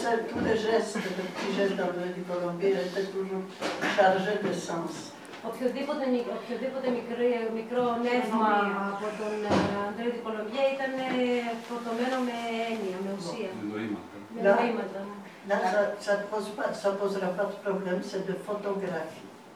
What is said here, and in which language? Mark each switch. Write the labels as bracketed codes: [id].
[fr] Tous les gestes, les petits gestes d'André du Colombier étaient toujours chargés de sens. [el] Οποιοδήποτε μικρό νεύμα από τον André du Colombier ήταν φορτωμένο με έννοια, με ουσία. Με νοήματα. Με νοήματα. [fr] Là, ça posera pas de problème, c'est de photographie.